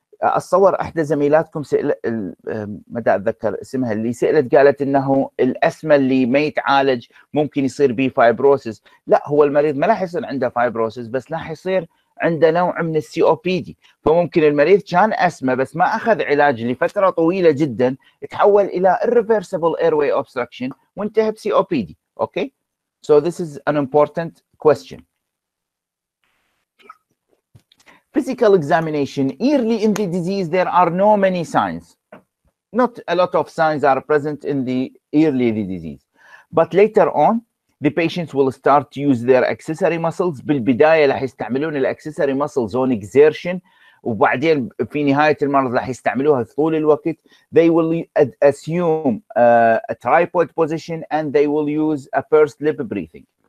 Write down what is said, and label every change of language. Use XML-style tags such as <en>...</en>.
<ar>أتصور أحدى زميلاتكم سئلت، ما أتذكر اسمها، اللي سئلت قالت إنه الأسمى اللي ما يتعالج ممكن يصير بيه فايبروسيس. لا، هو المريض ما لح يصير عنده فايبروسيس، بس لح يصير عنده نوع من السي او بي دي، فممكن المريض كان اسمه بس ما اخذ علاج لفتره طويله جدا، تحول الى ريفرسبل اير واي اوبستراكشن وانتهى بسي او بي دي.</ar> <en>Okay, so this is an important question. Physical examination, early in the disease, there are no many signs. Not a lot of signs are present in the early the disease. But later on, the patients will start to use their accessory muscles.</en> <ar>بالبداية راح يستعملون</ar> <en>الاكسسوري muscles on exertion.</en> <ar>وبعدين في نهاية المرض راح يستعملوها طول الوقت.</ar> <en>They will assume a tripod position and they will use a first lip breathing.</en>